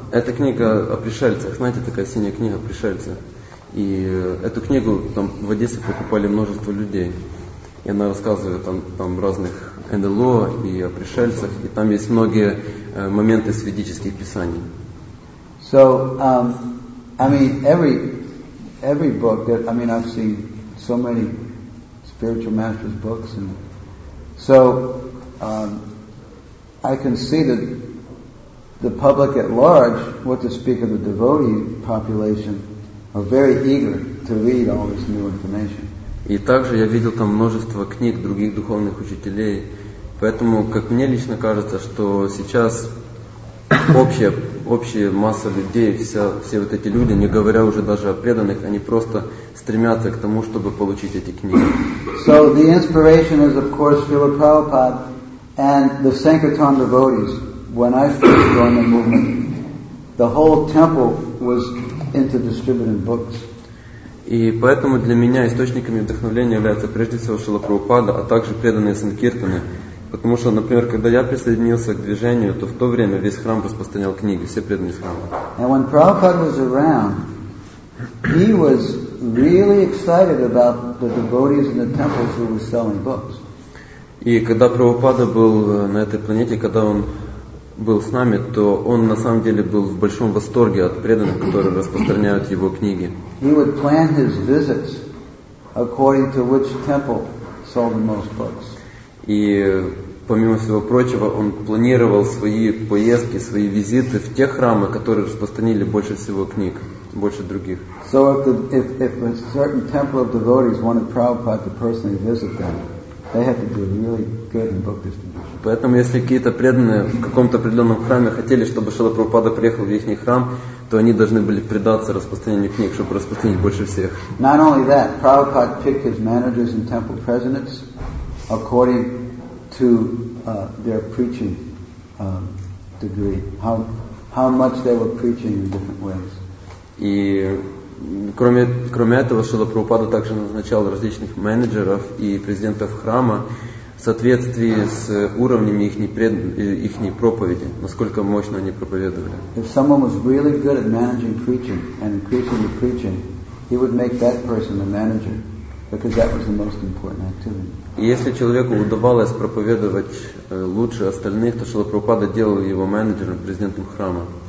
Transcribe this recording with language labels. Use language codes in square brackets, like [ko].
[ru] Эта книга о пришельцах, знаете, такая синяя книга о пришельцах. И эту книгу там в Одессе покупали множество людей. И она рассказывает там разных НЛО и о пришельцах. И там есть многие моменты с ведических писаний. [en] So, I mean, every book that I mean, I've seen so many spiritual masters' books, and so I can see that the public at large, what to speak of the devotee population, are very eager to read all this new information. [ru] И также я видел там множество книг других духовных учителей, поэтому, как мне лично кажется, что сейчас общая масса людей, все вот эти люди, не говоря уже даже о преданных, они просто стремятся к тому, чтобы получить эти книги. [en] So the inspiration is, of course, Srila Prabhupada and the Sankirtan devotees. When I first joined the movement, the whole temple was into distributing books. [ru] И поэтому для меня источниками вдохновения являются прежде всего Шрила Прабхупада, а также преданные санкиртаны. Потому что, например, когда я присоединился к движению, то в то время весь храм распространял книги, все преданные из храма. [en] And when Prabhupada was around, he was really excited about the devotees in the temples who were selling books. [ru] И когда Прабхупада был на этой планете, когда он был с нами, то он на самом деле был в большом восторге от преданных, которые распространяют его книги. [en] He would plan his visits according to which temple sold the most books. [ru] И помимо всего прочего, он планировал свои поездки, свои визиты в те храмы, которые распространили больше всего книг, больше других. [en] So if a certain temple of devotees wanted Prabhupada to personally visit them, they had to do really good in book distribution. [ru] Поэтому, если какие-то преданные в каком-то определенном храме хотели, чтобы Шрила Прабхупада приехал в их храм, то они должны были предаться распространению книг, чтобы распространить больше всех. [en] Not only that, Prabhupada picked his managers and temple presidents according to their preaching degree, how much they were preaching in different ways. [ru] И кроме этого, Шрила Прабхупада также назначал различных менеджеров и президентов храма в соответствии с уровнями их проповеди, насколько мощно они проповедовали. [en] If someone was really good at managing preaching and increasing the preaching, he would make that person the manager, because that was the most important activity. [ru] Если человеку удавалось проповедовать лучше остальных, то Шрила Прабхупада делал его менеджером, президентом храма.